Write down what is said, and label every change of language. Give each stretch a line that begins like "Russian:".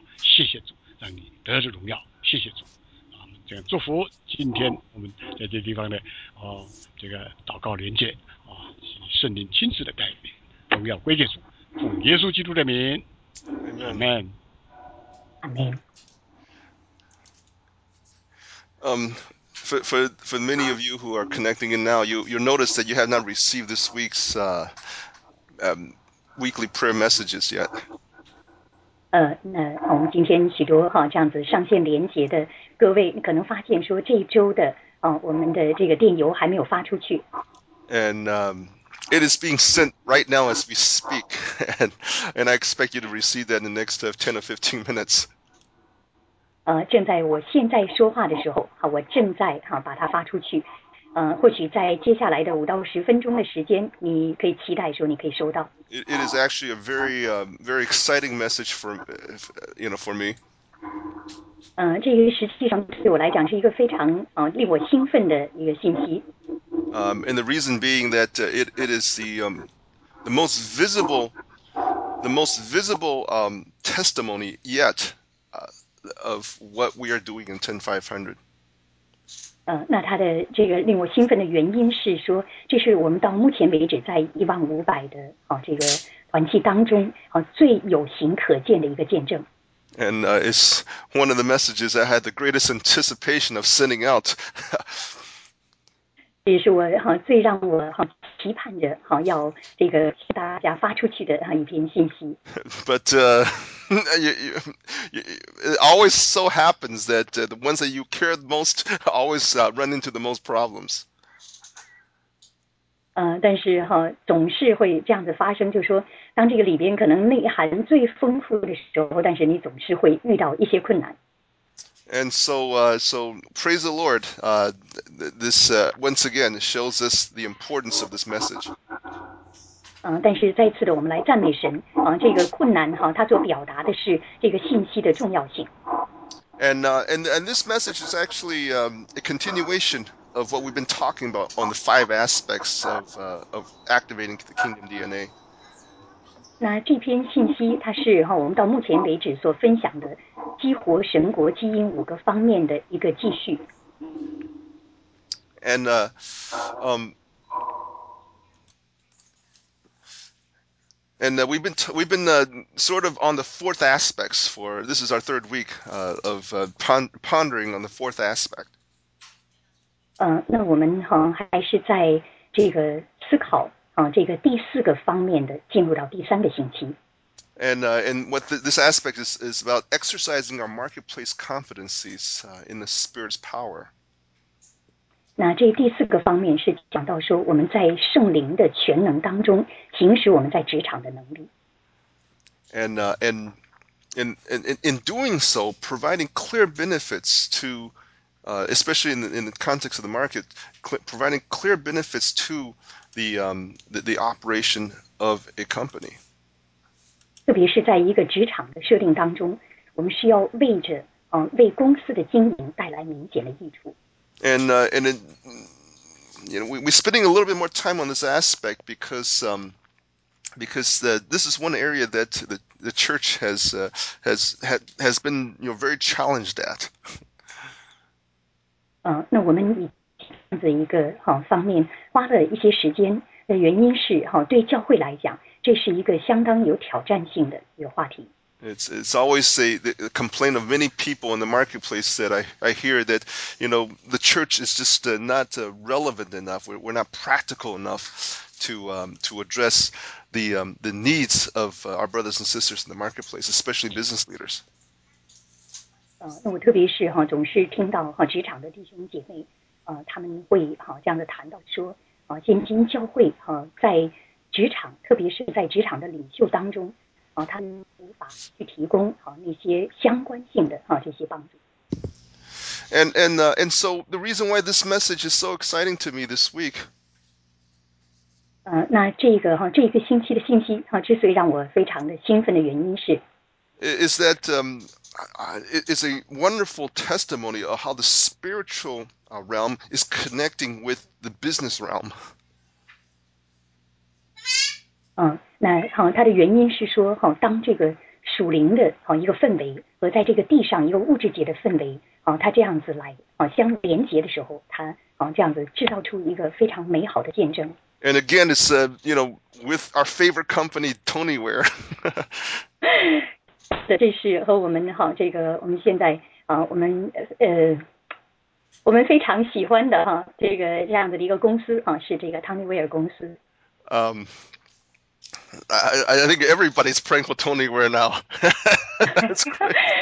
Chinese: 谢谢主，让你得着荣耀。谢谢主，这样祝福今天我们在这地方的这个祷告连接圣灵亲自的带领，荣耀归给主，奉耶稣基督的名，阿门，阿门。
English: For many of you who are connecting in now, you'll notice that you have not received this week's weekly prayer messages yet.
Chinese: 那我们今天许多哈这样子上线连结的各位，可能发现说这一周的我们的这个电邮还没有发出去。
English: And it is being sent right now as we speak, and I expect you to receive that in the next 10 or 15 minutes.
Chinese: 正在我现在说话的时候，好，我正在哈把它发出去。或许在接下来的5到10分钟的时间，你可以期待说你可以收到。
English: It is actually a very very exciting message for me.
Chinese: 这个实际上对我来讲是一个非常令我兴奋的一个信息。
English: And the reason being that it is the most visible testimony yet. Of what we are doing in 10500.
Chinese: 那他的这个令我兴奋的原因是说，这是我们到目前为止在15,000的这个团契当中最有形可见的一个见证。
English: And it's one of the messages I had the greatest anticipation of sending out.
Chinese: 这也是我最让我期盼着要这个向大家发出去的一篇信息。
English: But it always so happens that the ones that you care the most always run into the most problems.
Chinese: 但是总是会这样子发生，就是说，当这个里边可能内涵最丰富的时候，但是你总是会遇到一些困难。
English: And so praise the Lord. This once again shows us the importance of this message.
Chinese: 但是再次的，我们来赞美神。这个困难它所表达的是这个信息的重要性。
English: And this message is actually a continuation of what we've been talking about on the five aspects of activating the kingdom DNA.
Chinese: 那这篇信息，它是我们到目前为止所分享的激活神国基因五个方面的一个继续。
English: And we've been sort of on the fourth aspects for this is our third week of pondering on the fourth aspect.
Chinese: 那我们还是在这个思考。这个第四个方面的进入到第三个星期。
English: And what this aspect is about exercising our marketplace competencies in the Spirit's power.
Chinese: 那这第四个方面是讲到说我们在圣灵的全能当中行使我们在职场的能力。
English: And in doing so, providing clear benefits to, especially in the context of the market, providing clear benefits to the operation of a company.
Chinese: 特别是在一个职场的设定当中，我们需要为着为公司的经营带来明显的益处。
English: And we're spending a little bit more time on this aspect because this is one area that the church has been very challenged at.
Chinese: 那我们以这样子一个方面花了一些时间的原因是对教会来讲，这是一个相当有挑战性的一个话题。
English: It's always the complaint of many people in the marketplace that I hear that the church is just not relevant enough. We're not practical enough to address the needs of our brothers and sisters in the marketplace, especially business leaders.
Chinese: 那我特别是总是听到职场的弟兄姐妹。他们会这样的谈到说现今教会在职场特别是在职场的领袖当中他们无法去提供那些相关性的这些帮助。
English: And so the reason why this message is so exciting to me this week.
Chinese: 那这个这一个星期的信息之所以让我非常的兴奋的原因是。
English: Is that, it's a wonderful testimony of how the spiritual realm is connecting with the business realm.
Chinese: 那它的原因是说，当这个属灵的一个氛围和在这个地上一个物质界的氛围，它这样子来相连接的时候，它这样子制造出一个非常美好的见证。
English: And again, it's with our favorite company, Tonyware.
Chinese: 这是和我们这个我们现在我们非常喜欢的这个这样子的一个公司是这个汤尼威尔公司。
English: I think everybody's praying for Tonyware now.